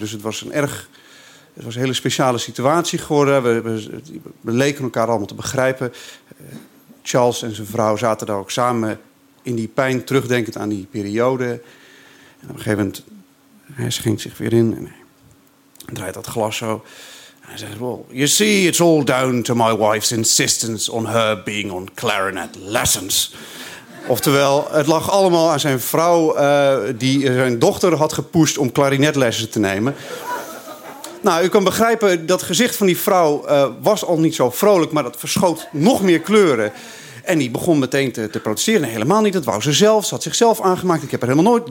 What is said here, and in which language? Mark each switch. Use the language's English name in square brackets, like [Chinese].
[Dutch] Dus het was een hele speciale situatie geworden. We leken elkaar allemaal te begrijpen. Charles en zijn vrouw zaten daar ook samen in die pijn, terugdenkend aan die periode. En op een gegeven moment, hij schenkt zich weer in en hij draait dat glas zo. En hij zegt, [English] well, you see, it's all down to my wife's insistence on her being on clarinet lessons. [Dutch] Oftewel, het lag allemaal aan zijn vrouw die zijn dochter had gepusht om clarinetlessen te nemen. Nou, u kan begrijpen, dat gezicht van die vrouw was al niet zo vrolijk, maar dat verschoot nog meer kleuren. En die begon meteen te protesteren. Nee, helemaal niet, dat wou ze zelf. Ze had zichzelf aangemaakt. Ik heb er helemaal nooit...